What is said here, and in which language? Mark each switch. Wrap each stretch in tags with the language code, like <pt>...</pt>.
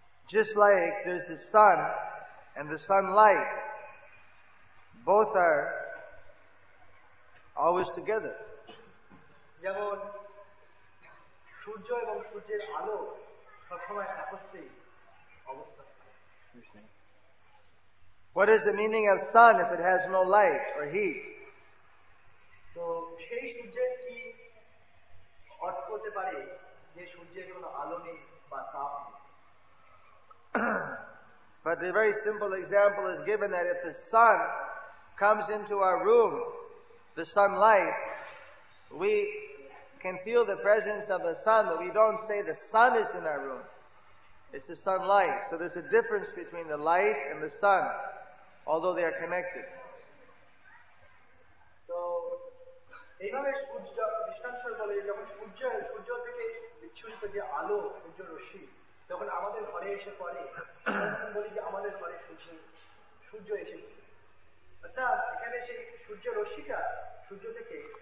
<en>Just like there's the sun and the sunlight, both are always together.</en> <bn>সূর্য এবং সূর্যের আলো সবসময় একত্রেই অবস্থান।</bn> <en>What is the meaning of sun if it has no light or heat?</en> <bn>তো সেই সূর্যের কি অর্থ হতে পারে যে সূর্যের কোনো আলো নেই বা তাপ নেই?</bn> <en>But a very simple example is given that if the sun comes into our room, the sunlight, we can feel the presence of the sun, but we don't say the sun is in our room. It's the sunlight. So there's a difference between the light and the sun, although they are connected.</en> <bn>So, এইভাবে সূর্য বিশ্বাসের বলে যখন সূর্য থেকে বিচ্ছুরিত যে আলো সূর্য রশ্মি যখন আমাদের ঘরে এসে পড়ে বলি যে আমাদের ঘরে সূর্য এসেছে, অর্থাৎ এখানে সেই সূর্য রশ্মিটা সূর্য থেকে</bn>